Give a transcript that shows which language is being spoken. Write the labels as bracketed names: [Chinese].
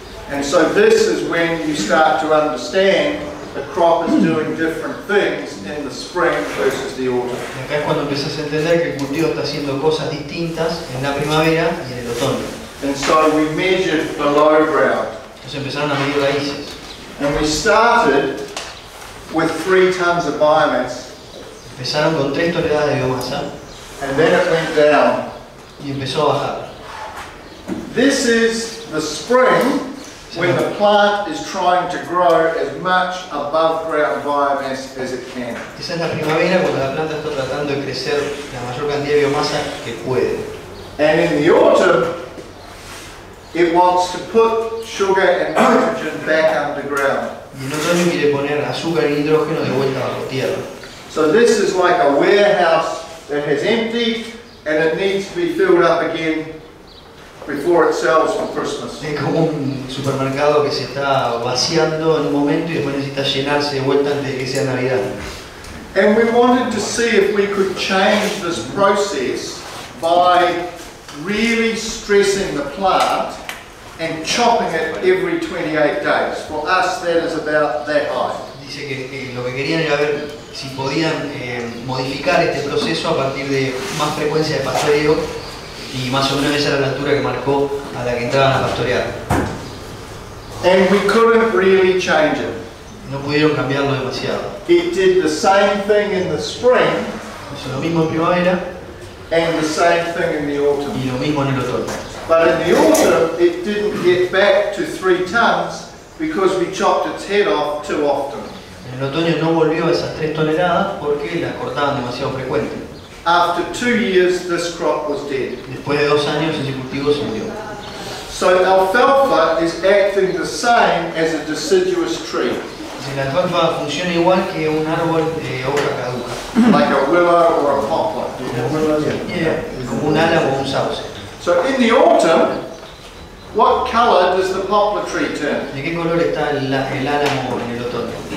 [English] And so this is when you start to understand the crop is doing different things in the spring versus the autumn. [Spanish] Acá es cuando empezás a entender que el cultivo está haciendo cosas distintas en la primavera y en el otoño. [English] And so we measured the low ground. [Spanish] Entonces empezaron a medir raíces. [English] And we started with 3 tons of biomass. [Spanish] Empezaron con 3 toneladas de biomasa. [English] And then it went down. [Spanish] Y empezó a bajar. [English] This is the spring when the plant is trying to grow as much above ground biomass as it can. [Spanish] Esa es la primavera cuando la planta está tratando de crecer la mayor cantidad de biomasa que puede. [English] And in the autumn, it wants to put sugar and nitrogen back underground. [Spanish] Y en otoño quiere poner azúcar y nitrógeno de vuelta bajo tierra. [English] So this is like a warehouse that has emptied and it needs to be filled up again before it sells for Christmas. [Spanish] Es como un supermercado que se está vaciando en un momento y después necesita llenarse de vuelta antes de que sea Navidad. [English] And we wanted to see if we could change this process by really stressing the plant and chopping it every 28 days. For us, that is about that high. [Spanish] Dice que lo que querían era ver si podían modificar este proceso a partir de más frecuencia de pastoreo, y más o menos esa era la altura que marcó a la que entraban a pastorear. [English] And we couldn't really change it. [Spanish] No pudieron cambiarlo demasiado. [English] It did the same thing in the spring, [Spanish] hizo lo mismo en primavera, [English] and the same thing in the autumn. [Spanish] Y lo mismo en el otoño. [English] But in the autumn, it didn't get back to 3 tons because we chopped its head off too often. [Spanish] En el otoño no volvió a esas 3 toneladas porque la cortaban demasiado frecuente. [English] After 2 years, this crop was dead. [Spanish] Después de 2 años, ese cultivo se murió. [English] So alfalfa is acting the same as a deciduous tree. [Spanish] de la trompa funciona igual que un árbol de hoja caduca. [English] Like a willow or a poplar. [Spanish] Yeah, como un álamo o un sauce. [English] So in the autumn, what color does the poplar tree turn? [Spanish] ¿De qué color está el álamo en el otoño?